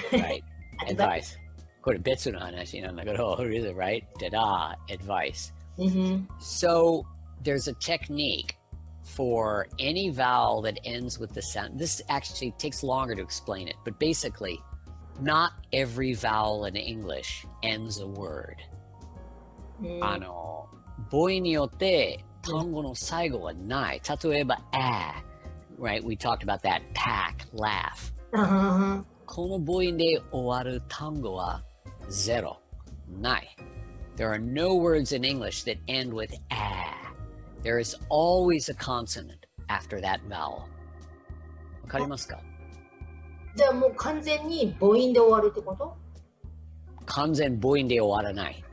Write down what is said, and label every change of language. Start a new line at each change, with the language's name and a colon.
English: Right. Advice.
Japanese: これ別の話なんだけど、
English: oh, really, right? Da-da. Advice.、 Mm-hmm. So there's a technique. For any vowel that ends with the sound, this actually takes longer to explain it, but basically, not every vowel in English ends a word.、 Mm.
Japanese: あの、母音によって単語の最後はない。例えば、あ、
English: right? We talked about that, pack, laugh.、 Uh-huh.
Japanese: この母音で終わる単語はゼロ、ない。
English: There are no words in English that end with a. There is always a consonant after that vowel.
Japanese: わかりますか? じゃあもう完全に母音で終わるってこと? 完全母音で終わらない。